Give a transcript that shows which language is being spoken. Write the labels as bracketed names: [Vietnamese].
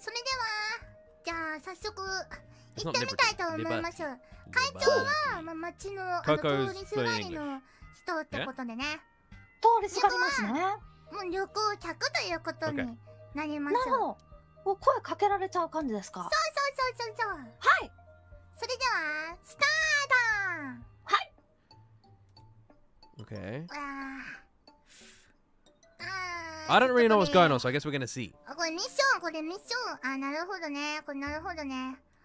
[Japanese] それでは、じゃあ早速 行ってみたいと思いましょう。会長は、街の通りすがりの人ってことでね。通りすがりますね。もう旅行客ということになりますよ。なるほど。もう声かけられちゃう感じですか。そうそうそうそうそう。はい。それでは、スタート。はい。 [English] I don't really know what's going on, so I guess we're gonna see. [Japanese] これミッション、これミッション。なるほどね。これなるほどね。